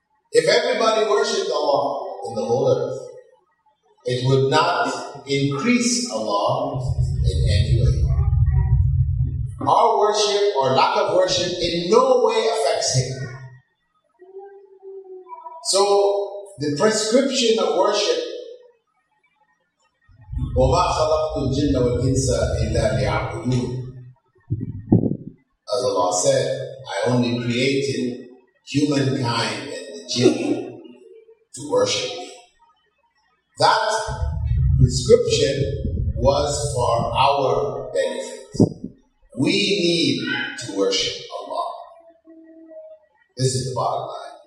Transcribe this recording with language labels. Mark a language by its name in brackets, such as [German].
[English] If everybody worshiped Allah in the whole earth, it would not increase Allah in any way. Our worship or lack of worship in no way affects Him. So the prescription of worship, [Arabic] وَمَا خَلَقْتُ الْجِنَّ وَالْإِنسَ إِلَّا لِيَعْبُدُونَ. [English] As Allah said, I only created humankind and the jinn to worship Me. That prescription was for our benefit. We need to worship Allah. This is the bottom line.